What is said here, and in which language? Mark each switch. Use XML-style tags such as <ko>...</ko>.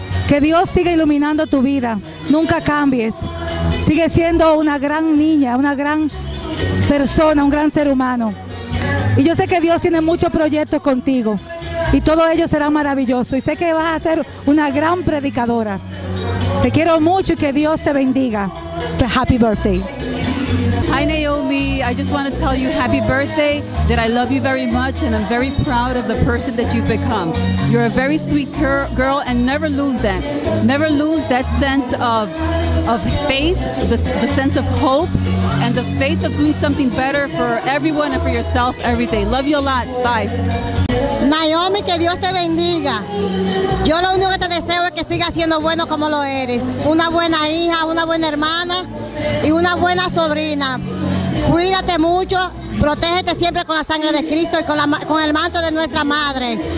<es>Que Dios siga iluminando tu vida. Nunca cambies. Sigue siendo una gran niña, una gran persona, un gran ser humano. Y yo sé que Dios tiene muchos proyectos contigo. Y todo ello será maravilloso. Y sé que vas a ser una gran predicadora. Te quiero mucho y que Dios te bendiga.</es> <en>Happy birthday. Hi, Naomi. I just want to tell you happy birthday, that I love you very much, and I'm very proud of the person that you've become. You're a very sweet girl, and never lose that. Never lose that sense of faith, the sense of hope, and the faith of doing something better for everyone and for yourself every day. Love you a lot. Bye.</en> <es>Naomi, que Dios te bendiga. Yo lo único que te deseo es que sigas siendo bueno como lo eres. Una buena hija, una buena hermana y una buena sobrina. Cuídate mucho, protégete siempre con la sangre de Cristo y con el manto de nuestra madre.</es>